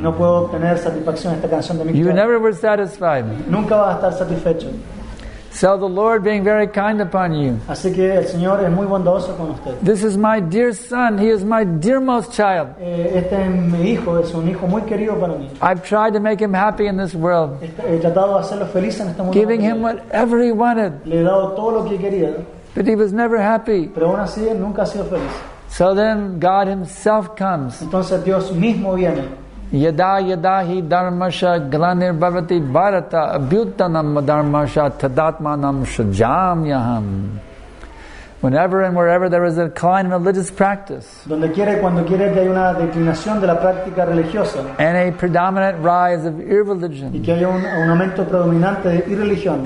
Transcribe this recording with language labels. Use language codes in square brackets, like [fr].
[es] No puedo obtener satisfacción esta canción de Mick Jagger. [en] You never were satisfied. [es] Nunca vas a estar satisfecho. [en] So the Lord being very kind upon you. [es] Así que el Señor es muy bondadoso con usted. [en] This is my dear son. He is my dearmost child. [es] Este es mi hijo. Es un hijo muy querido para mí. [en] I've tried to make him happy in this world. [es] He tratado de hacerlo feliz en este mundo. [en] Giving him whatever he wanted. [es] Le he dado todo lo que quería. [en] But he was never happy. [es] Pero aún así, nunca ha sido feliz. [en] So then God himself comes. [es] Entonces Dios mismo viene. [sa] Yada yada hi dharmasya glanir bhavati bharata abhyutanam dharmasya tadatmanam shajamyaham. [en] Whenever and wherever there is a decline in religious practice, [es] donde quiere, cuando quiere que haya una declinación de la práctica religiosa, [en] and a predominant rise of irreligion, [es] y que haya un aumento predominante de irreligión,